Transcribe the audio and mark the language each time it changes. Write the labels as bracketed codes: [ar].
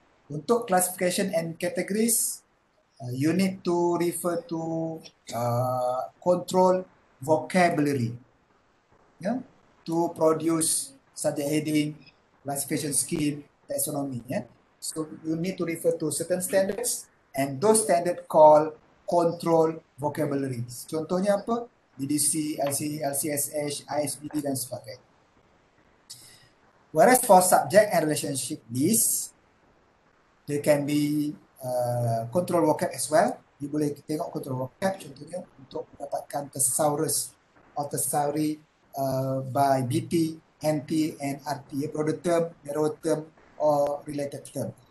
[ms] Untuk [en] classification and categories, you need to refer to control vocabulary, yeah, to produce subject heading, classification scheme, taxonomy. Yeah, so you need to refer to certain standards, and those standards call control vocabulary. [ms] Contohnya apa? BDC, LCE, LCSH, ISBD dan sebagainya. [en] Whereas for subject and relationship list, they can be control vocab as well. You [ms] boleh tengok [en] control vocab [ms] contohnya untuk mendapatkan [en] thesaurus or thesauri by BT, NT and RT, broader term, narrow term or related term.